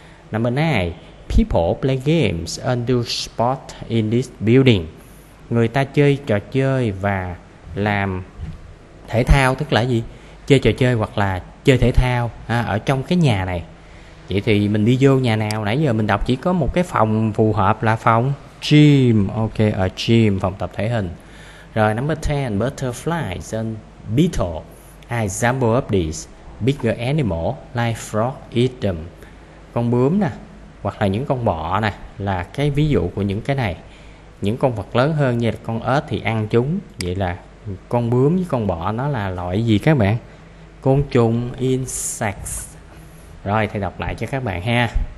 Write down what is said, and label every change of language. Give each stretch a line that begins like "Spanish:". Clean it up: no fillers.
English: Number 9, people play games and do sports in this building.
Vietnamese: Người ta chơi trò chơi và làm thể thao, tức là gì? Chơi trò chơi hoặc là chơi thể thao ở trong cái nhà này. Vậy thì mình đi vô nhà nào? Nãy giờ mình đọc chỉ có một cái phòng phù hợp là phòng gym. Ok, ở gym, phòng tập thể hình.
English: Rồi, number 10, butterflies and beetle. Example of this. bigger animal like frog eat them.
Vietnamese: Con bướm nè, hoặc là những con bọ nè, là cái ví dụ của những cái này. Những con vật lớn hơn như là con ếch thì ăn chúng. Vậy là con bướm với con bọ nó là loại gì các bạn? Côn trùng, insects. Rồi, thầy đọc lại cho các bạn ha.